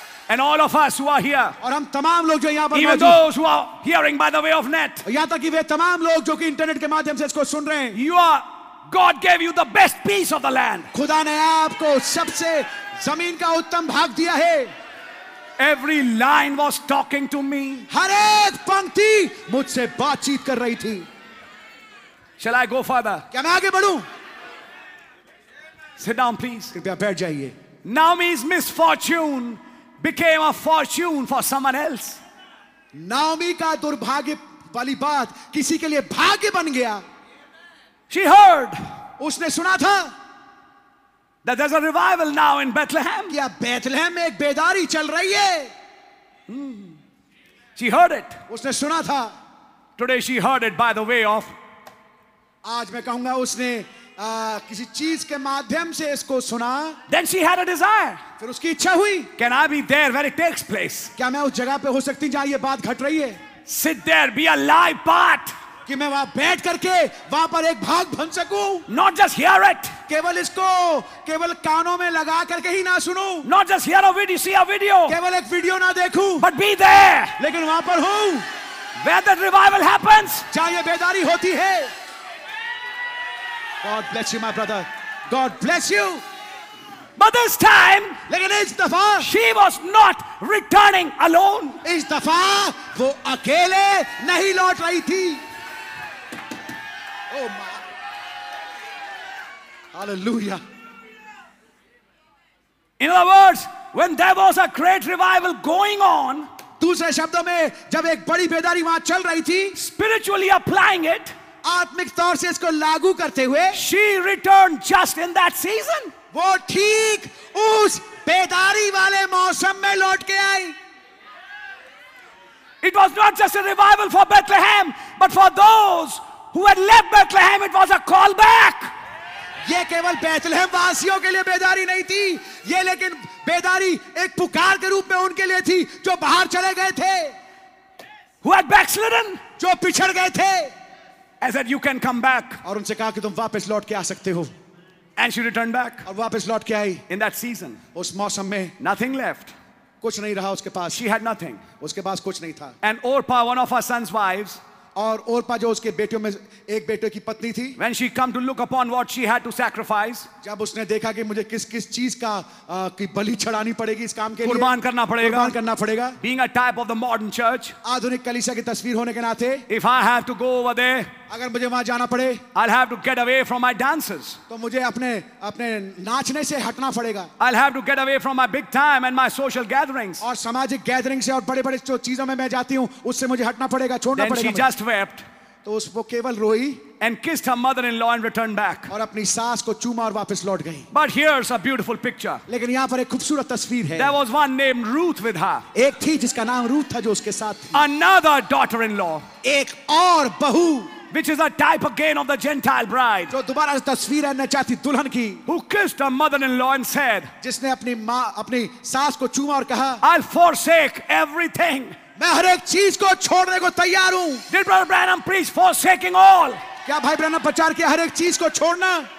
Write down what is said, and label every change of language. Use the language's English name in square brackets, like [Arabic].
[English] And all of us who are here, [Hindi] और हम तमाम लोग जो यहाँ पर, [English] even those who are hearing by the way of net, [Hindi] यहाँ तक कि वे तमाम लोग जो कि इंटरनेट के माध्यम से इसको सुन रहे हैं, [English] you are, God gave you the best piece of the land. [Hindi] खुदा ने आपको सबसे जमीन का उत्तम भाग दिया है. [English] Every line was talking to me. [Hindi] हर एक पंक्ति मुझसे बातचीत कर रही थी. [English] Shall I go further? [Hindi] क्या मैं आगे बढ़ूं? [English] Sit down, please. [Hindi] कृपया बैठ जाइए. [English] Naomi's misfortune became a fortune for someone else. [Hindi] Naomi का दुर्भाग्य वाली बात किसी के लिए भाग्य बन गया. [English] She heard. [Hindi] उसने सुना था. [English] That there's a revival now in Bethlehem. [Hindi] क्या बेथलहम में एक बेदारी चल रही है? [English] She heard it. [Hindi] उसने सुना था. [English] Today she heard it by the way of. [Hindi] आज मैं कहूँगा उसने किसी चीज के माध्यम से इसको सुना. [English] Then she had a desire. [Hindi] फिर उसकी इच्छा हुई. [English] Can I be there where it takes place? [Hindi] क्या मैं उस जगह पे हो सकती जहाँ ये बात घट रही है? [English] Sit there, be a live part. [Hindi] कि मैं वहां बैठ करके वहां पर एक भाग बन सकूं. [English] Not just hear it. [Hindi] केवल इसको केवल कानों में लगा करके ही ना सुनूं. [English] Not just hear a video, see a video. [Hindi] केवल एक वीडियो ना देखूं. [English] But be there. [Hindi] लेकिन वहां पर हूं. [English] Where that revival happens. [Hindi] जहां ये बेदारी होती है. [English] God bless you, my brother. God bless you. But this time, [Hindi] लेकिन इस दफा, [English] she was not returning alone. [Hindi] इस दफा वो अकेले नहीं लौट रही थी. [English] Oh my. Hallelujah. In other words, when there was a great revival going on, [Hindi] दूसरे शब्दों में जब एक बड़ी बेदारी वहां चल रही थी, [English] spiritually applying it, [Hindi] आत्मिक तौर से इसको लागू करते हुए, [English] she returned just in that season. [Hindi] वो ठीक उस बेदारी वाले मौसम में लौट के आई. [English] It was not just a revival for Bethlehem, but for those who had left Bethlehem, it was a call back. [Hindi] ये केवल बेथलहम वासियों के लिए बेदारी नहीं थी, ये लेकिन बेदारी एक पुकार के रूप में उनके लिए थी जो बाहर चले गए थे. [English] Who had backslidden? [Hindi] जो पिछड़ गए थे. [English] I said, you can come back. [Hindi] और उनसे कहा कि तुम वापस लौट के आ सकते हो. [English] And she returned back. [Hindi] और वापस लौट के आई. [English] In that season. [Hindi] उस मौसम में. [English] Nothing left. [Hindi] कुछ नहीं रहा उसके पास. [English] She had nothing. [Hindi] उसके पास कुछ नहीं था. [English] And Orpah, one of her son's wives, [Hindi] और ओरपा जो उसके बेटियों में एक बेटे की पत्नी थी, [English] when she come to look upon what she had to sacrifice, [Hindi] जब उसने देखा कि मुझे किस किस चीज का की बलि चढ़ानी पड़ेगी इस काम के लिए, कुर्बान करना पड़ेगा, कुर्बान करना पड़ेगा, [English] being a type of the modern church, [Hindi] आधुनिक कलीसिया की तस्वीर होने के नाते, [English] if I have to go over there, [Hindi] अगर मुझे वहां जाना पड़े, [English] I'll have to get away from my dances, [Hindi] तो मुझे अपने अपने नाचने से हटना पड़ेगा, [English] I'll have to get away from my big time and my social gatherings, [Hindi] और सामाजिक गैदरिंग से और बड़े बड़े जो चीजों में मैं जाती हूँ उससे मुझे हटना पड़ेगा, छोड़ना पड़ेगा. [English] Wept, [Hindi] तो उस वो केवल रोई, [English] and kissed her mother-in-law and returned back, [Hindi] और अपनी सास को चूमा और वापस लौट गई. [English] But here's a beautiful picture. [Hindi] लेकिन यहाँ पर एक खूबसूरत तस्वीर है. [English] There was one named Ruth with her. [Hindi] एक थी जिसका नाम रूथ था जो उसके साथ थी. [English] Another daughter-in-law. [Hindi] एक और बहू. [English] Which is a type again of the Gentile bride. [Hindi] जो दुबारा तस्वीर है नचाती दुल्हन की. [English] Who kissed her mother-in-law and said, [Hindi] जिसने अपनी माँ अपनी सास को चूमा और कहा, [English] I'll forsake everything. [Hindi] मैं हर एक चीज को छोड़ने को तैयार हूं. [English] Did Brother Branham preach forsaking all? [Hindi] क्या भाई ब्रैनम प्रचार किया हर एक चीज को छोड़ना?